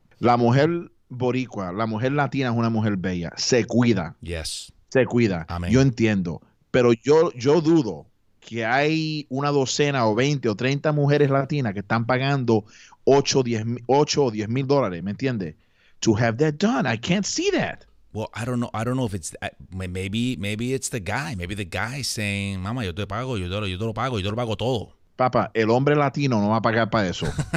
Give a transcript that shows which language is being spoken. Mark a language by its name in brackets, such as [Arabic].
[Spanish] La mujer boricua, la mujer latina es una mujer bella. Se cuida. [English] Yes. [Spanish] Se cuida. Amén. Yo entiendo. Pero yo dudo que hay una docena o 20 o 30 mujeres latinas que están pagando $8,000 or $10,000, ¿me entiende? [English] To have that done. I can't see that. Well, I don't know. I don't know if it's maybe it's the guy. Maybe the guy's saying, [Spanish] mama, yo te pago, yo te lo pago, yo te lo pago todo. Papa, el hombre latino no va a pagar para eso.